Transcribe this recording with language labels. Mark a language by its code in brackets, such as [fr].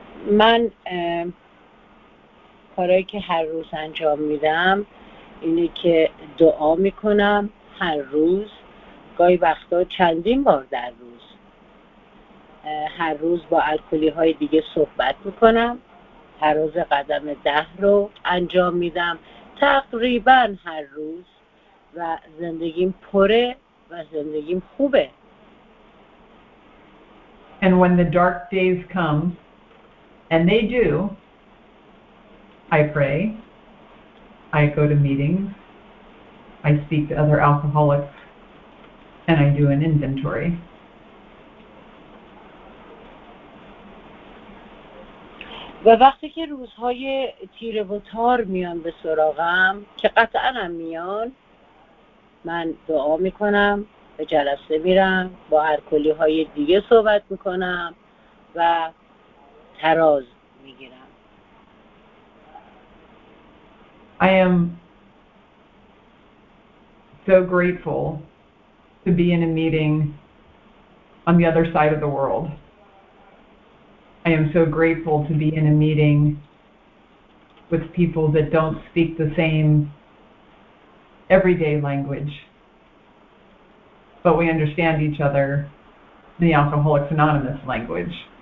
[fa] من کارهایی که هر روز انجام میدم اینه که دعا میکنم هر روز، گاهی وقتا چندین بار در روز. هر روز با الکلی های دیگه صحبت میکنم. هر روز قدم 10 رو انجام میدم تقریبا هر روز، و زندگیم پره و زندگیم خوبه. [en] And when the dark days come, and they do, I pray, I go to meetings, I speak to other alcoholics, and I do an inventory. [fa] و وقتی که روزهای تیره و تار میان به سراغم، که قطعا هم میان، من دعا میکنم، به جلسه میرم، با الکلی های دیگه صحبت میکنم و تراز میگیرم. [en] I am so grateful to be in a meeting on the other side of the world. I am so grateful to be in a meeting with people that don't speak the same everyday language, but we understand each other in the Alcoholics Anonymous language.